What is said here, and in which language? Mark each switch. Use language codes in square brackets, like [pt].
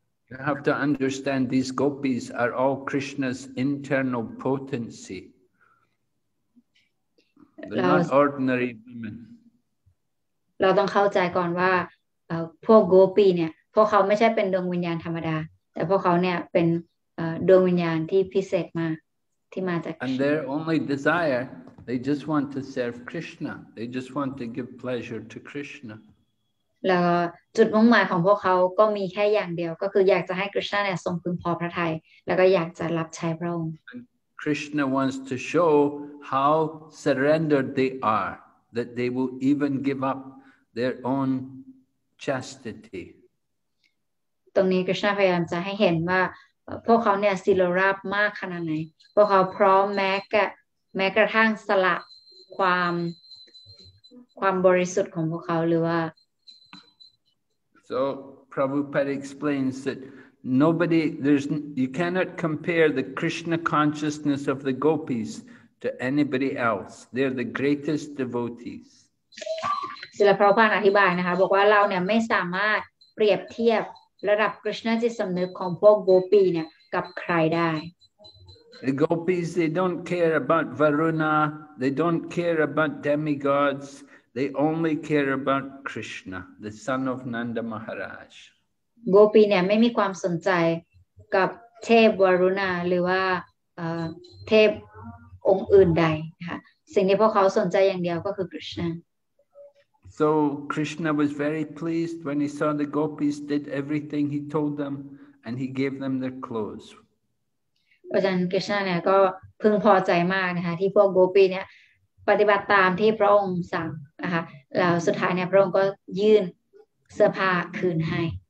[en] You have to understand these gopis are all Krishna's internal potency. They're not ordinary women. [th] เราต้องเข้าใจก่อนว่าพวกโกปีเนี่ยพวกเขาไม่ใช่เป็นดวงวิญญาณธรรมดาแต่พวกเขาเนี่ยเป็นดวงวิญญาณที่พิเศษมาที่มาจาก [en] And their only desire, they just want to serve Krishna. They just want to give pleasure to Krishna. [th] แล้วจุดมุ่งหมายของพวกเขาก็มีแค่อย่างเดียวก็คืออยากจะให้คริชนาเนี่ยทรงพึงพอพระทัยแล้วก็อยากจะรับใช้พระองค์ [en] And Krishna wants to show how surrendered they are, that they will even give up their own chastity. [th] ตรงนี้คริชนาพยายามจะให้เห็นว่าพวกเขาเนี่ยศิลราบมากขนาดไหนพวกเขาพร้อมแม้กระทั่งสละความบริสุทธิ์ของพวกเขาหรือว่า [en] So Prabhupada explains that nobody, there's, you cannot compare the Krishna consciousness of the gopis to anybody else. They're the greatest devotees. [th] ศิลปราภานอธิบายนะคะบอกว่าเราเนี่ยไม่สามารถเปรียบเทียบระดับคริสนาจิตสำนึกของพวกโกปีเนี่ยกับใครได้ [en] The gopis, they don't care about Varuna, they don't care about demigods, they only care about Krishna, the son of Nanda Maharaj. [th] โกปีเนี่ยไม่มีความสนใจกับเทพวรุณาหรือว่าเทพองค์อื่นใดค่ะสิ่งที่พวกเขาสนใจอย่างเดียวก็คือคริสนา [en] So Krishna was very pleased when he saw the gopis did everything he told them and he gave them their clothes. [th] เพราะฉะนั้นคริสนาเนี่ยก็พึงพอใจมากนะคะที่พวกโกปีเนี่ยปฏิบัติตามที่พระองค์สั่งนะคะแล้วสุดท้ายเนี่ยพระองค์ก็ยื่นเสื้อผ้าคืนให้